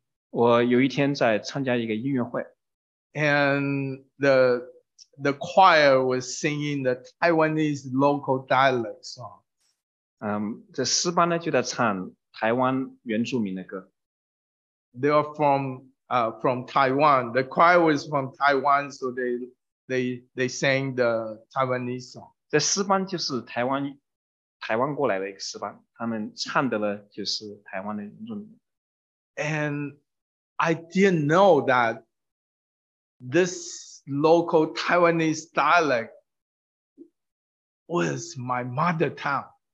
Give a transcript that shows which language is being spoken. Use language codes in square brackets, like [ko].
[zh] 我有一天在参加一个音乐会。 [en] And the choir was singing the Taiwanese local dialect song. [zh] 这诗班呢就在唱台湾原住民的歌。 [en] They are from Taiwan. The choir was from Taiwan, so they sang the Taiwanese song. [zh] 这诗班就是台湾过来的一个诗班，他们唱的呢就是台湾的原住民。 [en] And I didn't know that this local Taiwanese dialect was my mother tongue.